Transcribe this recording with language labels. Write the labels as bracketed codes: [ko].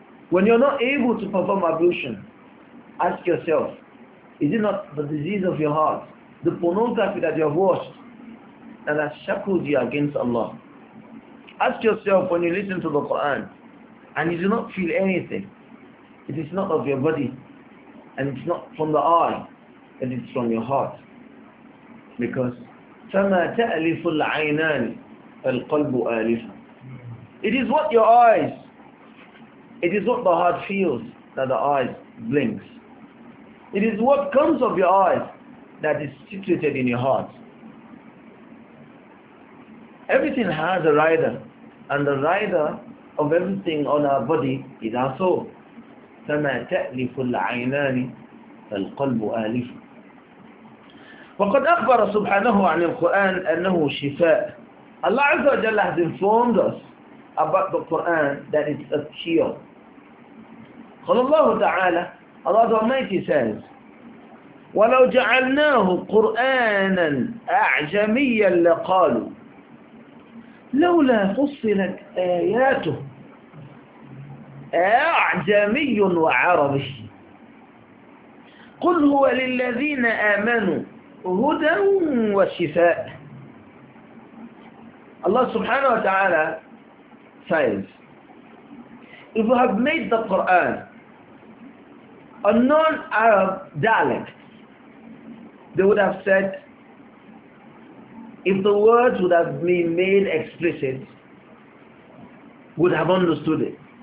[en] When you're not able to perform ablution, ask yourself, is it not the disease of your heart, the pornography that you have watched, that has shackled you against Allah? Ask yourself, when you listen to the Quran and you do not feel anything, it is not of your body and it's not from the eye, but it's from your heart. Because [ar] فَمَا تَأْلِفُ الْعَيْنَانِ فَالْقَلْبُ أَلِفُ. [en] It is what your eyes, it is what the heart feels that the eyes blinks. It is what comes of your eyes that is situated in your heart. Everything has a rider, and the rider of everything on our body is our soul. [ar] فَمَا تَأْلِفُ الْعَيْنَانِ فَالْقَلْبُ أَلِفُ. وَقَدْ أَخْبَرَ سُبْحَانَهُ عَنِ الْقُرْآنِ أَنَّهُ شِفَاءٌ. [en] Allah Azza wa Jalla has informed us about the Quran that it's a cure. [ar] قال الله تعالى, [en] Allah the Almighty says, [ar] وَلَوْ جَعَلْنَاهُ قُرْآنًا أَعْجَمِيًّا لَقَالُوا لَوْلَا فُصِّلَتْ آيَاتُهُ أَعْجَمِيٌّ وَعَرَبِيٌّ قُلْ هُوَ لِلَّذِينَ آمَنُوا هُدًى وَشِفَاءٌ. [en] Allah subhanahu wa ta'ala says, if you have made the Quran a non-Arab dialect, they would have said, if the words would have been made explicit, would have understood it.